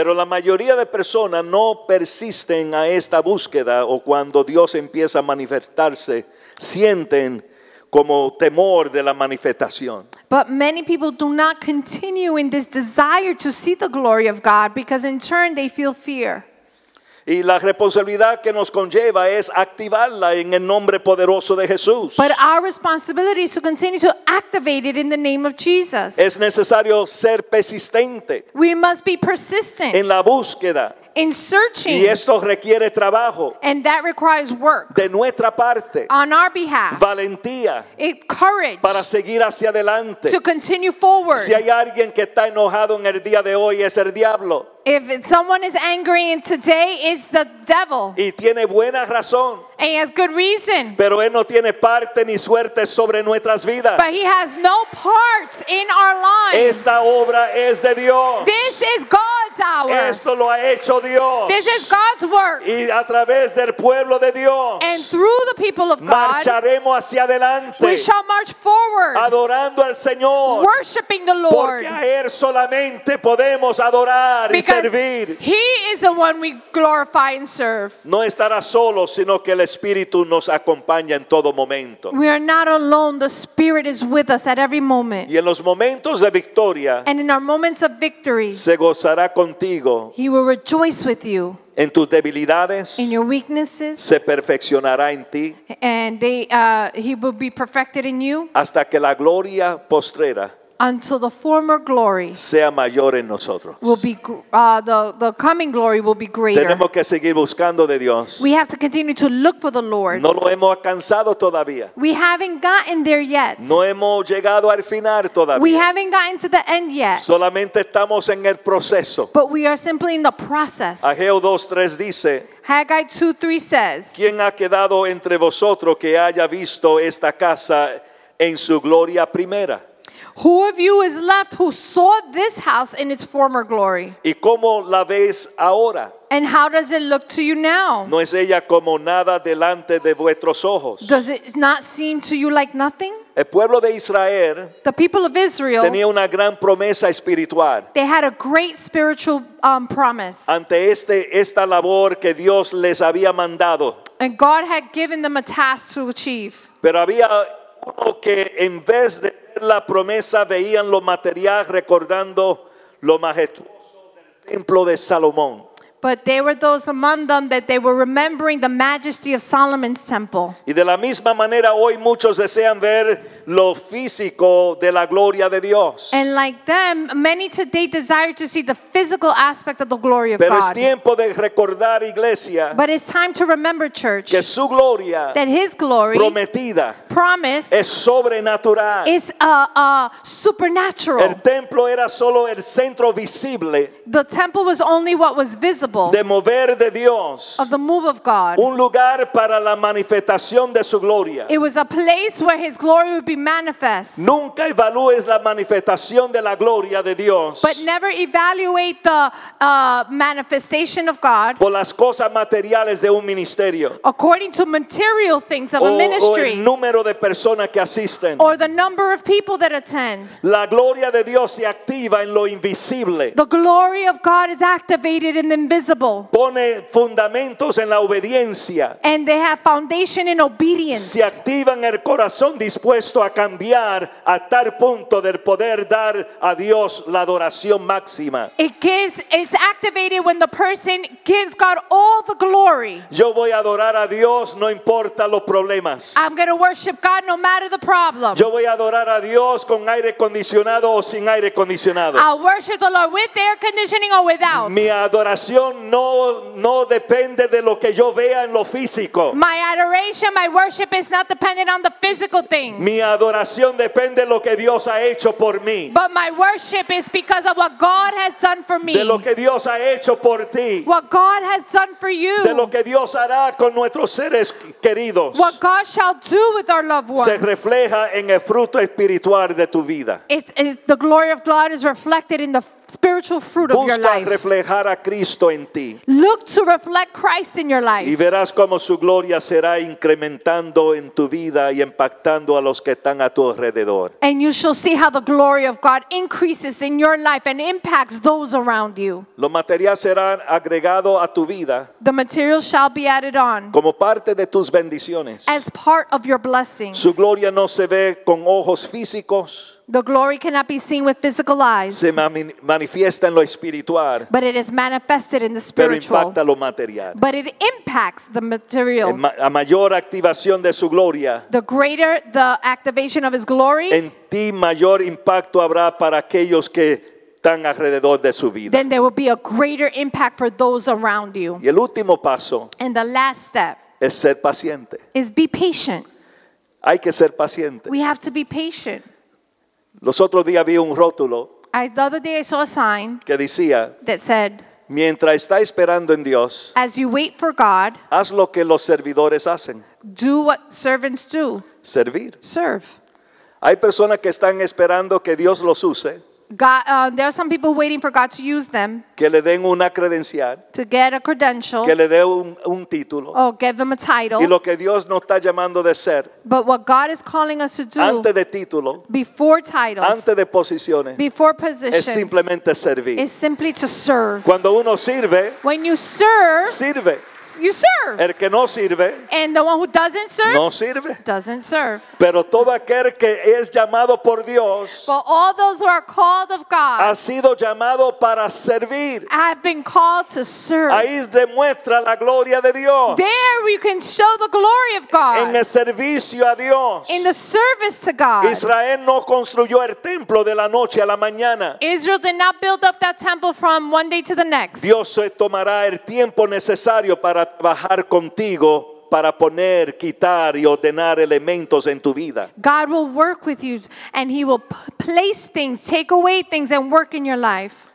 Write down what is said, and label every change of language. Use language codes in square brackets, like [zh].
[es] Pero la mayoría de personas no persisten a esta búsqueda o cuando Dios empieza a manifestarse, sienten como temor de la manifestación. [en] But many people do not continue in this desire to see the glory of God because in turn they feel fear. [es] Y la responsabilidad que nos conlleva es activarla en el nombre poderoso de Jesús. [en] But our responsibility is to continue to activate it in the name of Jesus. [es] Es necesario ser persistente. [en] We must be persistent. [es] En la búsqueda. [en] In searching. [es] Y esto requiere trabajo. [en] And that requires work. [es] De nuestra parte. [en] On our behalf. [es] Valentía. [en] It, courage. [es] Para seguir hacia adelante. [en] To continue forward. [es] Si hay alguien que está enojado en el día de hoy es el diablo. [en] If someone is angry today, it's the devil. [es] Y tiene buena razón. [en] And he has good reason. [es] Pero él no tiene parte ni suerte sobre nuestras vidas. [en] But he has no part in our lives. [es] Esta obra es de Dios. [en] This is God's hour. [es] Esto lo ha hecho Dios. [en] This is God's work. [es] Y a través del pueblo de Dios. [en] And through the people of God. [es] Marcharemos hacia adelante. [en] We shall march forward. [es] Adorando al Señor. [en] Worshiping the Lord. [es] Porque a él solamente podemos adorar. [en] Because He is the one we glorify and serve. [es] No estará solo, sino que el Espíritu nos acompaña en todo momento. [en] We are not alone. The Spirit is with us at every moment. [es] Y en los momentos de victoria, [en] and in our moments of victory, [es] se gozará contigo. [en] He will rejoice with you. [es] En tus debilidades, [en] in your weaknesses, [es] se perfeccionará en ti. [en] And He will be perfected in you. [es] Hasta que la gloria postrera. [en] Until the former glory [es] sea mayor en nosotros. [en] Will be the coming glory will be greater. [es] Tenemos que seguir buscando de Dios. [en] We have to continue to look for the Lord. [es] No lo hemos alcanzado todavía. [en] We haven't gotten there yet. [es] No hemos llegado al final todavía. [en] We haven't gotten to the end yet. [es] Solamente estamos en el proceso. [en] But we are simply in the process. [es] Ageo 2:3 dice, [en] Haggai 2:3 says, [es] ¿quién ha quedado entre vosotros que haya visto esta casa en su gloria primera? [en] Who of you is left who saw this house in its former glory? [es] ¿Y cómo la ves ahora? [en] And how does it look to you now? [es] ¿No es ella como nada delante de vuestros ojos? [en] Does it not seem to you like nothing? [es] El pueblo de Israel, [en] the people of Israel, [es] tenía una gran promesa espiritual. [en] They had a great spiritual promise. [es] Ante esta labor que Dios les había mandado. [en] And God had given them a task to achieve. [es] Pero había uno que en vez de ver la promesa veían lo material recordando lo majestuoso del templo de Salomón. [en] But there were those among them that they were remembering the majesty of Solomon's temple. [es] Y de la misma manera hoy muchos desean ver lo físico de la gloria de Dios. [en] And like them, many today desire to see the physical aspect of the glory of [es] Pero [en] God. [es] Pero es tiempo de recordar, iglesia. [en] But it's time to remember, church. [es] Que su gloria, [en] that his glory, [es] prometida, [en] promise, [es] es sobrenatural. [en] Is supernatural. [es] El templo era solo el centro visible. [en] The temple was only what was visible. [es] De mover de Dios. [en] Of the move of God. [es] Un lugar para la manifestación de su gloria. [en] It was a place where his glory would be manifest. [es] Nunca evalúes la manifestación de la gloria de Dios. [en] But never evaluate the manifestation of God. [es] Por las cosas materiales de un ministerio. [en] According to material things of a ministry. [es] O el número de personas que asisten. [en] Or the number of people that attend. [es] La gloria de Dios se activa en lo invisible. [en] The glory of God is activated in the invisible. [es] Pone fundamentos en la obediencia. [en] And they have foundation in obedience. [es] Se activan el corazón dispuesto a cambiar a tal punto de poder dar a Dios la adoración máxima. [en] It's activated when the person gives God all the glory. [es] Yo voy a adorar a Dios no importa los problemas. [en] I'm going to worship God no matter the problem. [es] Yo voy a adorar a Dios con aire acondicionado o sin aire acondicionado. [en] I'll worship the Lord with air conditioning or without. [es] Mi adoración no depende de lo que yo vea en lo físico. [en] My adoration, my worship is not dependent on the physical things. [es] Mi adoración depende de lo que Dios ha hecho por mí. [en] But my worship is because of what God has done for me. [es] De lo que Dios ha hecho por ti. [en] What God has done for you. [es] De lo que Dios hará con nuestros seres queridos. [en] What God shall do with our loved ones. [es] Se refleja en el fruto espiritual de tu vida. [en] The glory of God is reflected in the spiritual fruit of [es] Busca [en] your life. [es] Busca reflejar a Cristo en ti. [en] Look to reflect Christ in your life. [es] Y verás cómo su gloria será incrementando en tu vida y impactando a los que están a tu alrededor. [en] And you shall see how the glory of God increases in your life and impacts those around you. [es] Lo material será agregado a tu vida. [en] The material shall be added on. [es] Como parte de tus bendiciones. [en] As part of your blessings. [es] Su gloria no se ve con ojos físicos. [en] The glory cannot be seen with physical eyes. [es] Se manifiesta en lo espiritual. [en] But it is manifested in the spiritual. [es] Pero impacta lo material. [en] But it impacts the material. [es] A mayor activación de su gloria. [en] The greater the activation of his glory. [es] En ti mayor impacto habrá para aquellos que están alrededor de su vida. [en] Then there will be a greater impact for those around you. [es] Y el último paso. [en] And the last step. [es] Es ser paciente. [en] Is be patient. [es] Hay que ser paciente. [en] We have to be patient. [es] Los otros días vi un rótulo [en] the other day I saw a sign [es] que decía [en] that said, [es] mientras está esperando en Dios [en] as you wait for God, [es] haz lo que los servidores hacen. [en] Do what servants do. [es] Servir. [en] Serve. [es] Hay personas que están esperando que Dios los use. [en] God, there are some people waiting for God to use them. [es] Que le den una credencial. [en] To get a credential. [es] Que le dé un título. [en] Oh, give them a title. [es] Y lo que Dios nos está llamando de ser. [en] But what God is calling us to do. [es] Antes de título. [en] Before titles. [es] Antes de posiciones. [en] Before positions. [es] Es simplemente servir. [en] Is simply to serve. [es] Cuando uno sirve. [en] When you serve. [es] Sirve. [en] You serve. [es] El que no sirve. [en] And the one who doesn't serve. [es] No sirve. [en] Doesn't serve. [es] Pero todo aquel que es llamado por Dios. [en] But all those who are called of God. [es] Ha sido llamado para servir. [en] I've been called to serve. [es] Ahí demuestra la gloria de Dios. [en] There we can show the glory of God. [es] En el servicio a Dios. [en] In the service to God. [es] Israel no construyó el templo de la noche a la mañana. [en] Israel did not build up that temple from one day to the next. [es] Dios se tomará el tiempo necesario para trabajar contigo, para poner, quitar y ordenar elementos en tu vida. [en] God will work with you and he will place things, take away things and work in your life.